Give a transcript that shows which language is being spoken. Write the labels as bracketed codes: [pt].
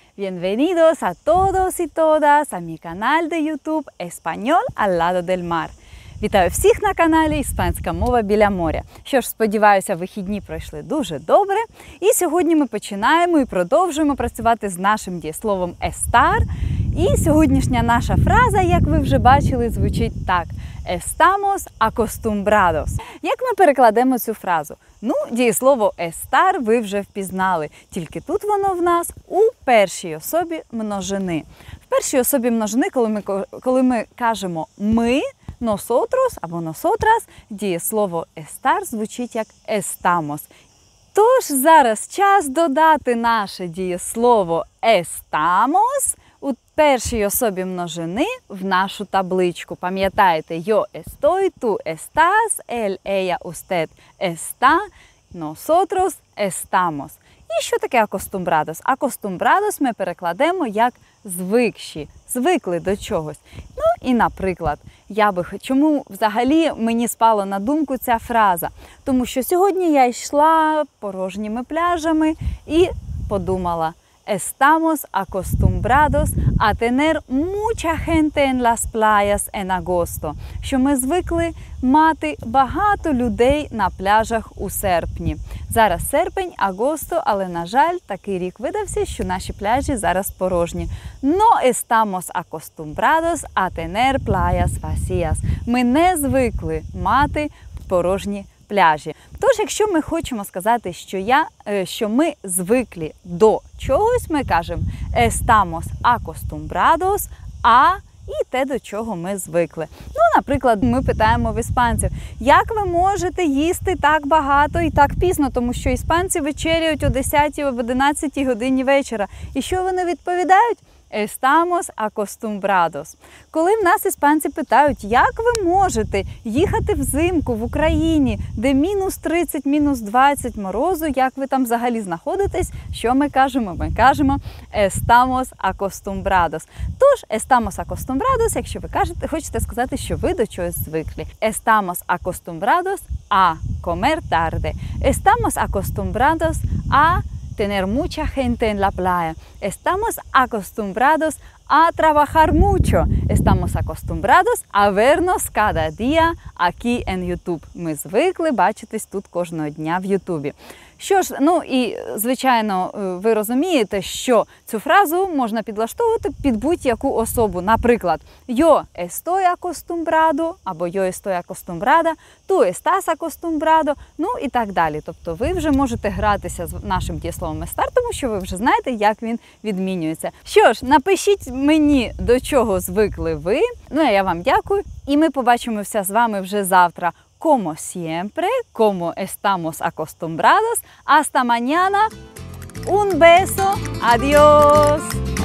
[es] Bienvenidos a todos y todas a mi canal de YouTube Español al lado del mar. [uk] Вітаю всіх на каналі «Іспанська мова біля моря». Що ж, сподіваюся, вихідні пройшли дуже добре. І сьогодні ми починаємо і продовжуємо працювати з нашим дієсловом «estar». І сьогоднішня наша фраза, як ви вже бачили, звучить так. [es] «Estamos acostumbrados». [uk] Як ми перекладемо цю фразу? Ну, дієслово «estar» ви вже впізнали. Тільки тут воно в нас у першій особі множини. В першій особі множини, коли ми кажемо «ми», «nosotros» або «nosotras», дієслово «estar» звучить як «estamos». Тож зараз час додати наше дієслово «estamos» у першій особі множини в нашу табличку. Пам'ятаєте, [es] «yo estoy», «tú estás», «él, ella, usted está», «nosotros estamos». [uk] І що таке «acostumbrados»? «Acostumbrados» ми перекладемо як «звикші», «звикли до чогось». Ну і, наприклад, чому взагалі мені спала на думку ця фраза? Тому що сьогодні я йшла порожніми пляжами і подумала [es] «estamos acostumbrados a tener mucha gente en las playas en agosto», [uk] що ми звикли мати багато людей на пляжах у серпні. Зараз серпень, агосто, але, на жаль, такий рік видався, що наші пляжі зараз порожні. [es] No estamos acostumbrados a tener playas vacías. [uk] Ми не звикли мати порожні пляжі. Тож, якщо ми хочемо сказати, що ми звикли до чогось, ми кажемо [es] «estamos acostumbrados a» [uk] і те, до чого ми звикли. Ну, наприклад, ми питаємо в іспанців, як ви можете їсти так багато і так пізно, тому що іспанці вечеряють о 10-й, об 11-й годині вечора. І що вони відповідають? [es] «Estamos acostumbrados». [uk] Коли в нас іспанці питають, як ви можете їхати взимку в Україні, де мінус 30, мінус 20 морозу, як ви там взагалі знаходитесь, що ми кажемо? Ми кажемо [es] «Estamos acostumbrados». [uk] Тож «Estamos acostumbrados», якщо ви кажете, хочете сказати, що ви до чогось звикли. [es] «Estamos acostumbrados a comer tarde». «Estamos acostumbrados a tener mucha gente en la playa». «Estamos acostumbrados a trabajar mucho». «Estamos acostumbrados a vernos cada día aquí en YouTube». [uk] Ми звикли бачитись тут кожного дня в YouTube. Що ж, ну і, звичайно, ви розумієте, що цю фразу можна підлаштовувати під будь-яку особу. Наприклад, [es] «yo estoy acostumbrado» [uk] або [es] «yo estoy acostumbrada», «tú estás acostumbrado», [uk] ну і так далі. Тобто ви вже можете гратися з нашим дієсловом «estar», тому що ви вже знаєте, як він відмінюється. Що ж, напишіть мені, до чого звикли ви. Ну, а я вам дякую. І ми побачимося з вами вже завтра. [es] Como siempre, como estamos acostumbrados. Hasta mañana. Un beso. Adiós.